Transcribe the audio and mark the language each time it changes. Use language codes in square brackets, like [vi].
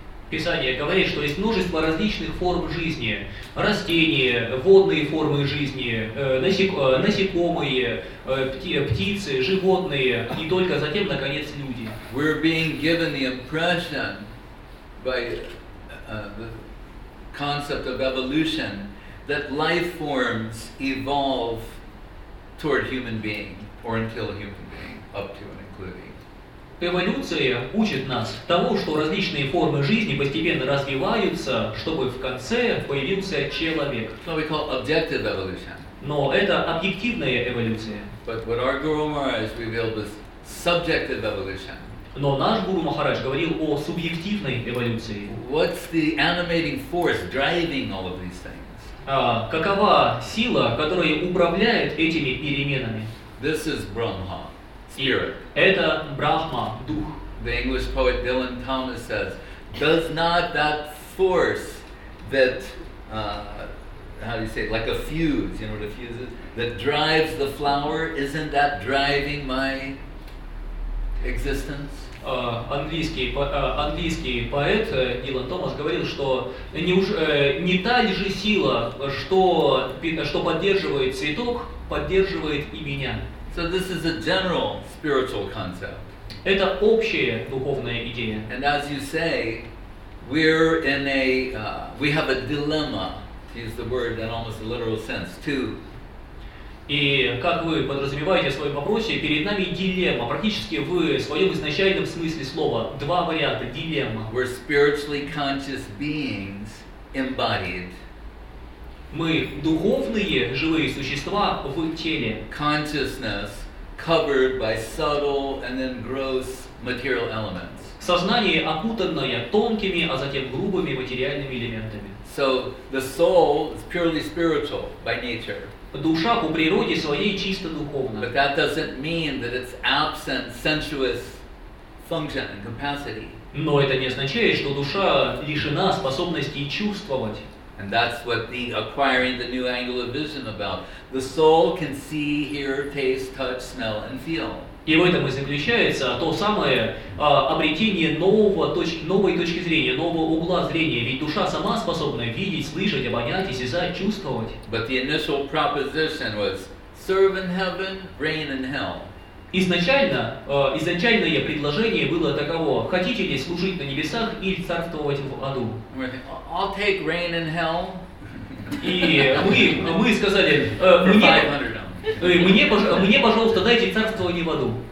[ru] Писание говорит, что есть множество различных форм жизни. Растения, водные формы жизни, насекомые, птицы, животные, и только затем, наконец, люди. [en] We're being given the impression by the concept of evolution that life forms evolve toward human being or until human being, up to and including. [ru] Эволюция учит нас того, что различные формы жизни постепенно развиваются, чтобы в конце появился человек. [en] So we call objective evolution. [ru] Но это объективная эволюция. [en] But what our Guru Maharaj revealed was subjective evolution. [ru] Но наш Гуру Махарадж говорил о субъективной эволюции. [en] What's the animating force driving all of these things? [ru] Какова сила, которая управляет этими переменами? [en] This is Brahma, spirit. [ru] Это Брахма, дух. [en] The English poet Dylan Thomas says, does not that force that, how do you say it, like a fuse, you know what a fuse is? That drives the flower, isn't that driving my existence? [ru] Английский поэт Дилан Томас говорил, что не та ли же сила, что поддерживает цветок, поддерживает и меня. [en] So this is a general spiritual concept. [ru] Это общая духовная идея. [en] And as you say, we're in a we have a dilemma, to use the word in almost a literal sense, too. [ru] И как вы подразумеваете в своем вопросе, перед нами дилемма. Практически в своем изначальном смысле слова два варианта дилемма. [en] We're spiritually conscious beings embodied. [ru] Мы духовные живые существа в теле. [en] Consciousness covered by subtle and then gross material elements. [ru] Сознание окутанное тонкими, а затем грубыми материальными элементами. [en] So the soul is purely spiritual by nature. [ru] Душа по природе своей чисто духовна. [en] But that doesn't mean that it's absent sensuous function and capacity. [ru] Но это не означает, что душа лишена способности чувствовать. [en] And that's what the acquiring the new angle of vision about. The soul can see, hear, taste, touch, smell, and feel. [ru] И в этом и заключается то самое обретение новой точки зрения, нового угла зрения. Ведь душа сама способна видеть, слышать, обонять, осязать, чувствовать. [en] But the initial proposition was serve in heaven, reign in hell. [ru] Изначальное предложение было таково: хотите ли служить на небесах или царствовать в аду? [en] I'll take reign in hell. [ru] И мы сказали, мне, пожалуйста, дайте царствование в аду.